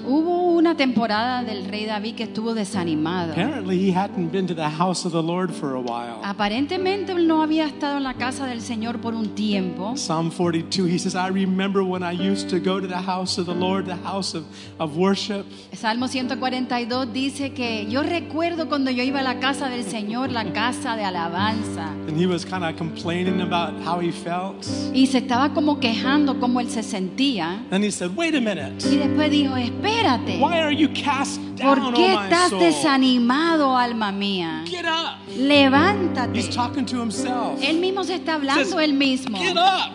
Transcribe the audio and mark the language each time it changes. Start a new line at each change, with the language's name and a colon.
Spanish: Hubo una temporada del rey David que estuvo desanimado.
English: Apparently he hadn't been to the house of the Lord for a while.
Spanish: Aparentemente él no había estado en la casa del Señor por un tiempo.
English: Psalm 42, he says, I remember when I used to go to the house of the Lord, the house of worship.
Spanish: Salmo 142 dice que yo recuerdo cuando yo iba a la casa del Señor, la casa de alabanza.
English: And he was kind of complaining about how he felt.
Spanish: Y se estaba como quejando cómo él se sentía.
English: And he said, wait a minute.
Spanish: Y después dijo, espérate.
English: Why are you cast down,
Spanish: ¿por qué estás desanimado, alma mía?
English: Get up.
Spanish: Levántate.
English: He's talking to himself.
Spanish: Él mismo se está hablando él mismo.
English: Get up.